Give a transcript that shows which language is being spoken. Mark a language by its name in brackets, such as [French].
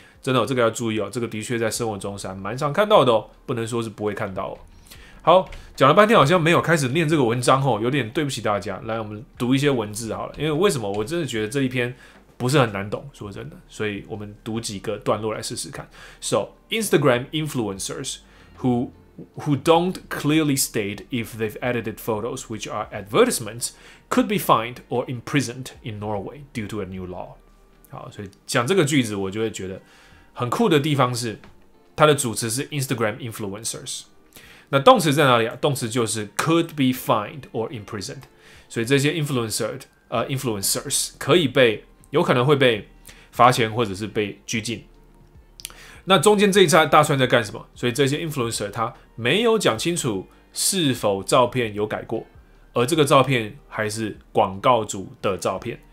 [Chinese] 真的，这个要注意哦，这个的确在生活中是蛮常看到的哦，不能说是不会看到哦。好，讲了半天好像没有开始念这个文章哦，有点对不起大家。来，我们读一些文字好了，因为为什么？我真的觉得这一篇不是很难懂，说真的。所以我们读几个段落来试试看。 [English] So Instagram influencers。 Who don't clearly state if they've edited photos which are advertisements could be fined or imprisoned in Norway due to a new law. [Chinese] 好，所以讲这个句子，我就会觉得很酷的地方是，它的主词是 Instagram influencers。那动词在哪里啊？动词就是 [English] could be fined or imprisoned。 [Chinese] 所以这些 influencers 可以被，有可能会被罚钱或者是被拘禁。那中间这一大串在干什么？所以这些 influencer 他没有讲清楚是否照片有改过，而这个照片还是广告主的照片。